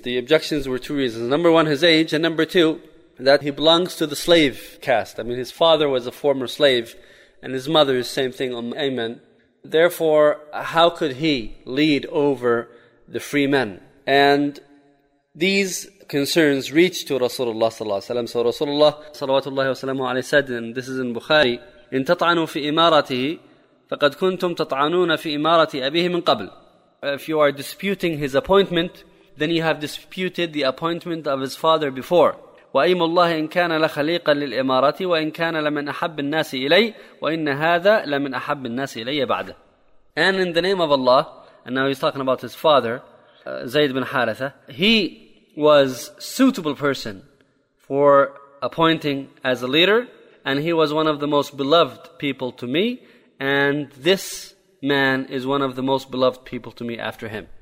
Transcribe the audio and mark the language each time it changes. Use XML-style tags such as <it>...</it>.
<en>The objections were two reasons. Number one, his age, and number two, that he belongs to the slave caste. I mean, his father was a former slave, and his mother is the same thing, Umm Ayman. Therefore, how could he lead over the free men? And these concerns reached to Rasulullah sallallahu alaihi wasallam. So Rasulullah sallallahu alaihi said, and this is in Bukhari,</en> <ar>إن تطعنوا في إمارته فقد كنتم تطعنون في إمارة أبيه من قبل.</ar> <en>If you are disputing his appointment, then you have disputed the appointment of his father before.</en> <ar>وَأَيْمُ اللَّهِ إِنْ كَانَ لَخَلِيقًا لِلْإِمَارَةِ وَإِنْ كَانَ لَمَنْ أَحَبِّ النَّاسِ إِلَيْهِ وَإِنَّ هَذَا لَمَنْ أَحَبِّ النَّاسِ إِلَيَّ بَعْدَ.</ar> <en>And in the name of Allah, and now he's talking about his father, Zayd bin Haritha, he was suitable person for appointing as a leader, and he was one of the most beloved people to me, and this man is one of the most beloved people to me after him.</en>